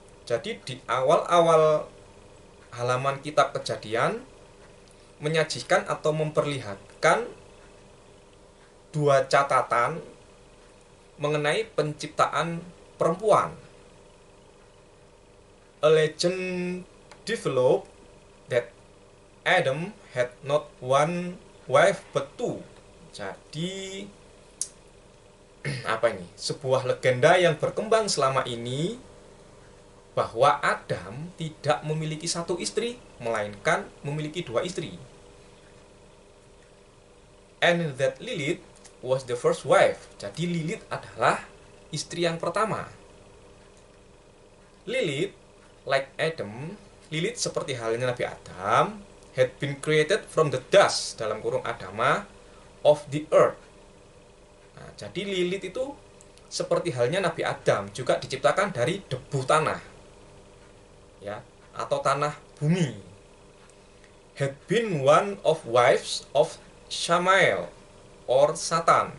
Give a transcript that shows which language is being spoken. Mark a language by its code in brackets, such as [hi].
[id] Jadi di awal-awal halaman kitab Kejadian menyajikan atau memperlihatkan dua catatan mengenai penciptaan perempuan. [en] A legend developed that Adam had not one wife but two. [id] Jadi apa ini? Sebuah legenda yang berkembang selama ini bahwa Adam tidak memiliki satu istri, melainkan memiliki dua istri. [en] And that Lilith was the first wife. [id] Jadi Lilith adalah istri yang pertama. [en] Lilith, like Adam, [id] Lilith seperti halnya Nabi Adam, [en] had been created from the dust, [id] dalam kurung [en] Adama, of the earth. [id] Nah, jadi Lilith itu seperti halnya Nabi Adam, juga diciptakan dari debu tanah, ya, atau tanah bumi. Had been one of wives of Shamael or Satan.